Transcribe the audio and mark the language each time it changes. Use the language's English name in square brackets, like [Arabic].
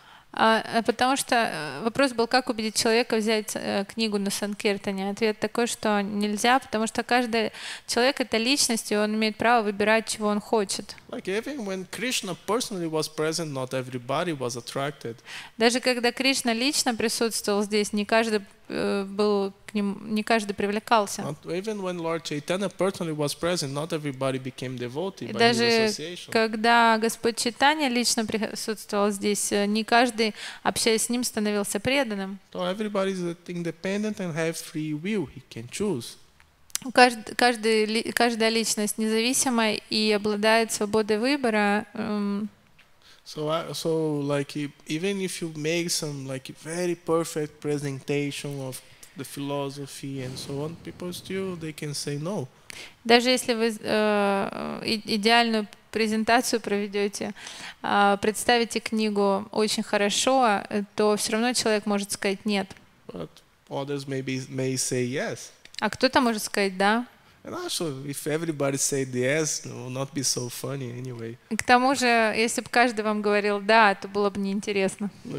[Russian] Потому что вопрос был, как убедить человека взять книгу на Санкиртане. Ответ такой, что нельзя, потому что каждый человек это личность, и он имеет право выбирать, чего он хочет. [English] Like even when Krishna personally was present, not everybody was attracted. [Russian] Даже когда Кришна лично присутствовал здесь, не каждый привлекался. [English] Even when Lord Chaitanya personally was present, not everybody became devotee by his association. [Russian] Когда Господь Чайтанья лично присутствовал здесь, не каждый, общаясь с ним, становился преданным. [English] So everybody is independent and have free will. He can choose. [Russian] Каждая личность независимая и обладает свободой выбора. [English] So even if you make some very perfect presentation of the philosophy and so on, people still they can say no. [Russian] Даже если вы идеальную презентацию проведете, представите книгу очень хорошо, то все равно человек может сказать нет. [English] But others may say yes. [Russian] А кто-то может сказать да. [English] And also, if everybody said yes, it would not be so funny anyway. [Russian] К тому же, если бы каждый вам говорил да, то было бы неинтересно.